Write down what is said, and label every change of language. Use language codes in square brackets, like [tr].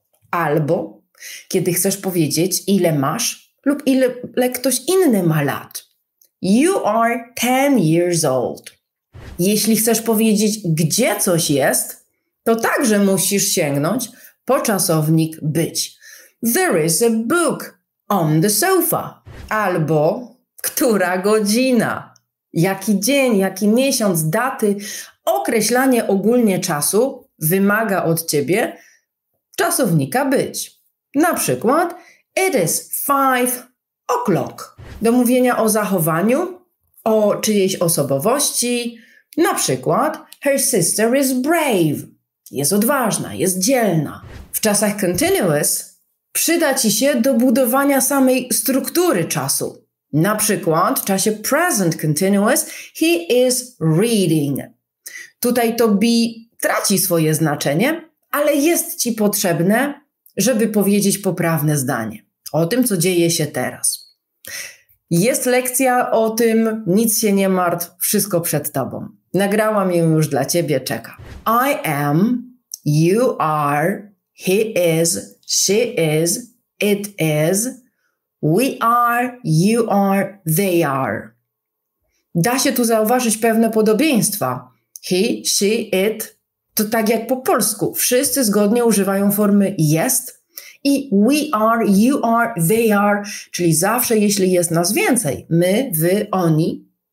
[pl] Albo, kiedy chcesz powiedzieć, ile masz lub ile ktoś inny ma lat. [en] You are 10 years old. [pl] Jeśli chcesz powiedzieć, gdzie coś jest, to także musisz sięgnąć po czasownik być. [en] There is a book on the sofa. [pl] Albo która godzina, jaki dzień, jaki miesiąc, daty. Określanie ogólnie czasu wymaga od Ciebie czasownika być. [en] Na przykład it is 5 o'clock. [pl] Do mówienia o zachowaniu, o czyjejś osobowości. Na przykład, [en] her sister is brave. [pl] Jest odważna, jest dzielna. W czasach continuous przyda Ci się do budowania samej struktury czasu. Na przykład, w czasie present continuous, [en] he is reading. [pl] Tutaj to be traci swoje znaczenie, ale jest Ci potrzebne, żeby powiedzieć poprawne zdanie o tym, co dzieje się teraz. Jest lekcja o tym, nic się nie martw, wszystko przed Tobą. Nagrałam ją już dla Ciebie, czeka. [en] I am, you are, he is, she is, it is, we are, you are, they are. [pl] Da się tu zauważyć pewne podobieństwa. [en] He, she, it [pl] to tak jak po polsku. Wszyscy zgodnie używają formy jest i [en] we are, you are, they are, [pl] czyli zawsze jeśli jest nas więcej, my, wy, oni.